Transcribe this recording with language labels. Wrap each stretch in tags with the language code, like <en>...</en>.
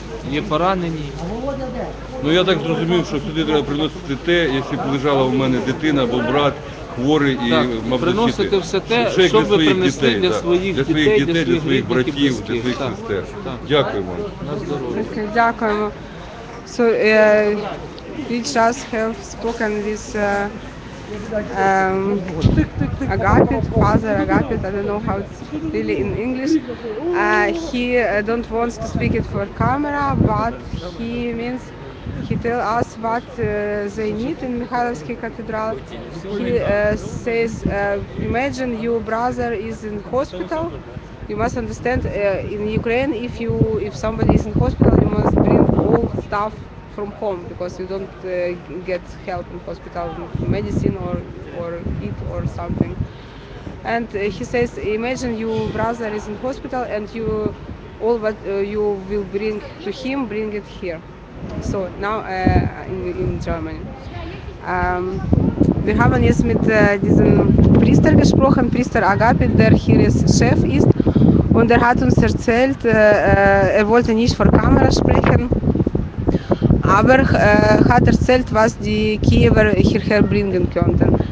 <uk>є поранені. Ну я так зрозумів, що сюди треба приносити те, якщо б лежала у мене дитина або брат. Хворий і, мабуть, приносити все те, що ви принесли для своїх дітей, для своїх братів, для своїх сестер. Дякуємо. На здоров'я. Дякуємо.</uk> <en>So, we just have spoken with Agapit, father Agapit, I don't know how it's really in English. He don't want to speak it for camera, but he means he tell us what they need in Mikhailovsky Cathedral. He says, imagine your brother is in hospital. You must understand, in Ukraine, if somebody is in hospital, you must bring all stuff from home because you don't get help in hospital, medicine or eat or something. And he says, imagine your brother is in hospital and you all what you will bring to him, bring it here. So now in Germany.</en> <de>Wir haben jetzt mit diesem Priester gesprochen, Priester Agapit, der hier ist Chef ist, und er hat uns erzählt, er wollte nicht vor Kamera sprechen, aber hat erzählt, was die Kiewer hierher bringen könnten.</de>